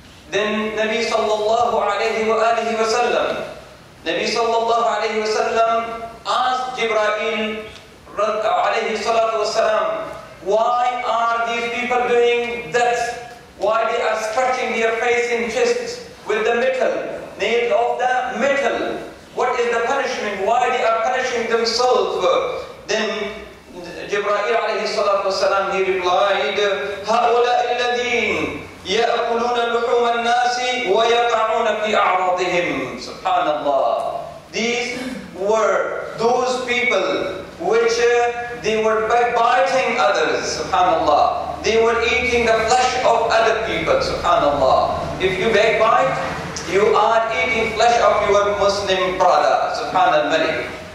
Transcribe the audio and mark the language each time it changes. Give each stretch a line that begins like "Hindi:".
English: Then Nabi sallallahu alayhi wa sallam, Nabi sallallahu alayhi wa sallam asked Jibreel alayhi salatu wasalam, why are these people doing that? Why they are scratching their face and chest with the metal, nails of the metal? What is the punishment? Why they are punishing themselves? Then Jibreel alayhi salatu wasalam, he replied,
Arabic: هؤلاء الذين يأكلون لحوم الناس ويقعون في أعراضهم.
English: Subhanallah. These were those people which they were backbiting others, subhanAllah. They were eating the flesh of other people, subhanAllah. If you backbite, you are eating flesh of your Muslim brother, subhanAllah.